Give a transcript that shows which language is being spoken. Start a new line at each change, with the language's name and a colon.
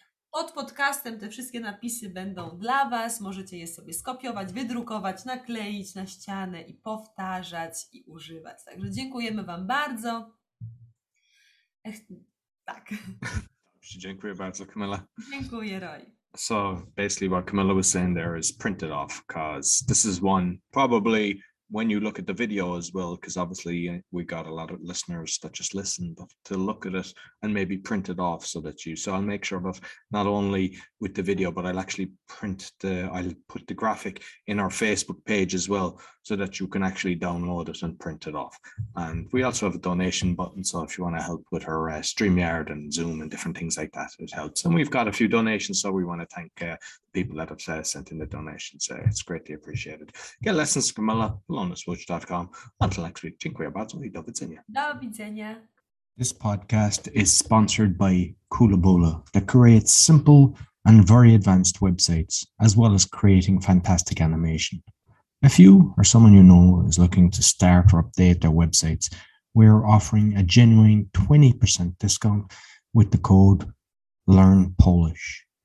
Polish: Pod podcastem te wszystkie napisy będą dla Was. Możecie je sobie skopiować, wydrukować, nakleić na ścianę i powtarzać i używać. Także dziękujemy Wam bardzo. Ech, tak. Dziękuję bardzo, Kamila. Dziękuję, Roy.
English: So basically, what Kamila was saying there is print it off because this is one probably when you look at the video as well, because obviously we got a lot of listeners that just listen, but to look at it and maybe print it off so that you, so I'll make sure of not only with the video, but I'll actually print the, I'll put the graphic in our Facebook page as well so that you can actually download it and print it off. And we also have a donation button. So if you want to help with our StreamYard and Zoom and different things like that, it helps. And we've got a few donations. So we want to thank people that have sent in the donations. So it's greatly appreciated. Get lessons from Camilla, lonaswatch.com. Until next week,
Polish: dziękuję bardzo I do widzenia. Do widzenia.
English: This podcast is sponsored by Koolaböla, that creates simple and very advanced websites, as well as creating fantastic animation. If you or someone you know is looking to start or update their websites, we are offering a genuine 20% discount with the code LEARNPOLISH.